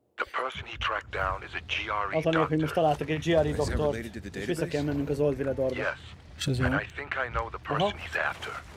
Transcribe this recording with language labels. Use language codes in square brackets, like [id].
[en] The person he tracked down is a GRE doctor. [hu] Az a név, hogy most találtak egy GRE doktor. És vissza kell mennünk az Old Villadorba. [en] Yes. And I think I know the person he's after.